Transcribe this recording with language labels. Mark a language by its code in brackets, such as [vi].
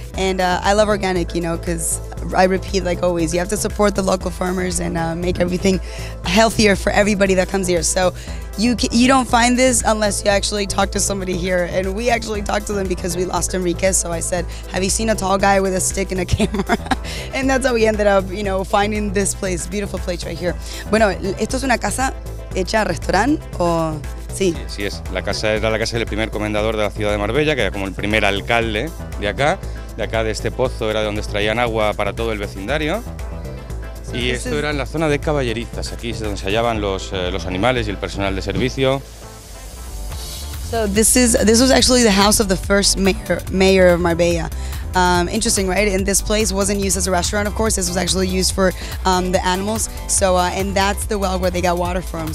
[en] And I love organic, you know, because I repeat, like always, you have to support the local farmers and make everything healthier for everybody that comes here. So, you don't find this unless you actually talk to somebody here. And we actually talked to them because we lost Enrique. So I said, have you seen a tall guy with a stick and a camera? And that's how we ended up, you know, finding this place, beautiful place right here. [es] Bueno, ¿esto es una casa hecha a restaurante o...? Sí. Sí, sí es. La casa era la casa del primer comendador de la ciudad de Marbella, que era como el primer alcalde de acá. De acá, de este pozo, era de donde extraían agua para todo el vecindario. Y esto era en la zona de caballerizas, aquí es donde se hallaban los animales y el personal de servicio. [en] So this was actually the house of the first mayor of Marbella. Interesting, right? And this place wasn't used as a restaurant, of course. This was actually used for the animals. So and that's the well where they got water from.